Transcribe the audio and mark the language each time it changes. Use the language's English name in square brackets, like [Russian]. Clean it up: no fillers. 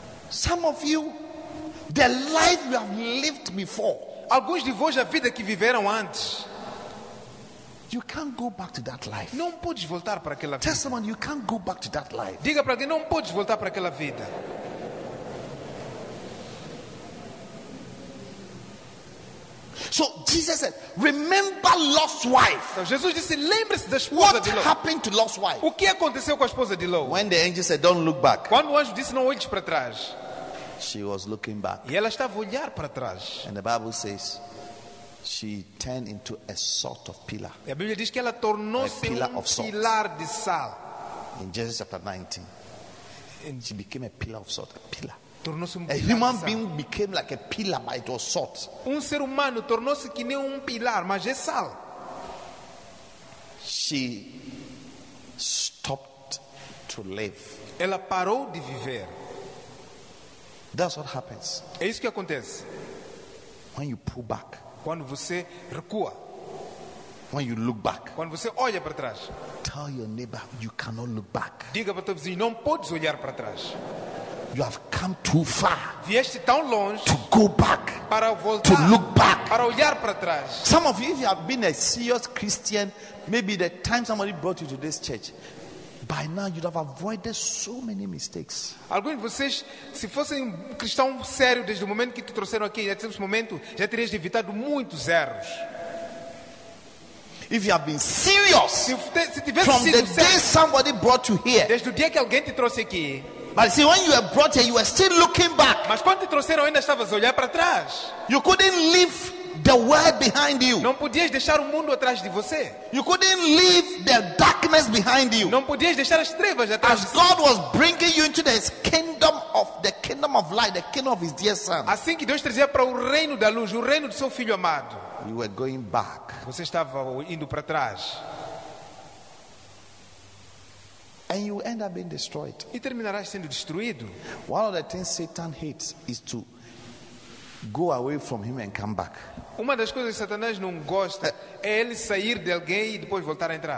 [English] Some of you, the life you have lived before. [Portuguese] Alguns de vós, a vida que viveram antes. [English] You can't go back to that life. [Portuguese] Não podes voltar para aquela vida. [English] Tell someone you can't go back to that life. [Portuguese] Diga para alguém, não podes voltar para aquela vida. [English] So Jesus said, remember lost wife. [Portuguese] Então Jesus disse, lembre-se da esposa [English] what [Portuguese] de Ló. [English] What happened to lost wife? [Portuguese] O que aconteceu com a esposa de Ló? [English] When the angel said, don't look back. [Portuguese] Quando o anjo disse, não olhes para trás. [English] She was looking back. [Portuguese] E ela estava a olhar para trás. [English] And the Bible says she turned into a sort of pillar. [Portuguese] E a Bíblia diz que ela tornou-se um pilar de sal. [English] In Genesis chapter 19. And she became a pillar of salt, a pillar. [Portuguese] Tornou-se um [English] pilar. A human being became like a pillar, but it was salt. [Portuguese] Um ser humano tornou-se que nem um pilar, mas é sal. [English] She stopped to live. [Portuguese] Ela parou de viver. [English] That's what happens. [Portuguese] É isso que acontece. [English] When you pull back. [Portuguese] Quando você recua. [English] When you look back. [Portuguese] Quando você olha para trás. [English] Tell your neighbor you cannot look back. [Portuguese] Diga para o teu vizinho, não podes olhar para trás. [English] You have come too far. [Portuguese] Vieste tão longe. [English] To go back. [Portuguese] Para voltar. [English] To look back. [Portuguese] Para olhar para trás. [English] Some of you, if you have been a serious Christian, maybe the time somebody brought you to this church, by now you'd have avoided so many mistakes. [Portuguese] Alguns de vocês, se fossem um cristão sério desde o momento que te trouxeram aqui, até esse momento, já terias evitado muitos erros. [English] If you have been serious, from the day somebody brought you here, [Portuguese] desde o dia que alguém te trouxe aqui. [English] But see, when you were brought here, you were still looking back. [Portuguese] Mas quando te trouxeram, ainda estavas a olhar para trás. [English] You couldn't leave the world behind you. [Portuguese] Não podias deixar o mundo atrás de você. [English] You couldn't leave the darkness behind you. [Portuguese] Não podias deixar as trevas atrás. [English] As God was bringing you into the kingdom of light, the kingdom of His dear Son. [Portuguese] Assim que Deus trazia para o reino da luz, o reino do seu filho amado. [English] You were going back. [Portuguese] Você estava indo para trás. [English] And you end up being destroyed. [Portuguese] E terminarás sendo destruído. [English] One of the things Satan hates is to go away from him and come back. [Portuguese] Uma das coisas que Satanás não gosta é ele sair de alguém e depois voltar a entrar.